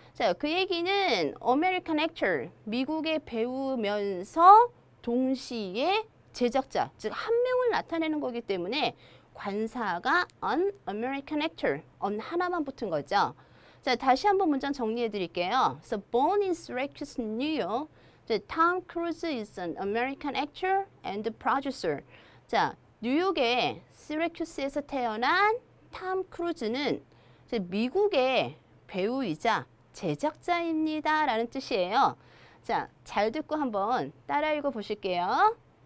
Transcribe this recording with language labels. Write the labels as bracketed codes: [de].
[ko] 자, 그 얘기는 [en] American actor, [ko] 미국에 배우면서 동시에 제작자, 즉 한 명을 나타내는 거기 때문에 관사가 [en] an American actor, an [ko] 하나만 붙은 거죠. 자, 다시 한번 문장 정리해 드릴게요. [en] So born in Syracuse, New York, the Tom Cruise is an American actor and producer. [ko] 자, 뉴욕의 시라큐스에서 태어난 톰 크루즈는 미국의 배우이자 제작자입니다 라는 뜻이에요. 자, 잘 듣고 한번 따라 읽어 보실게요.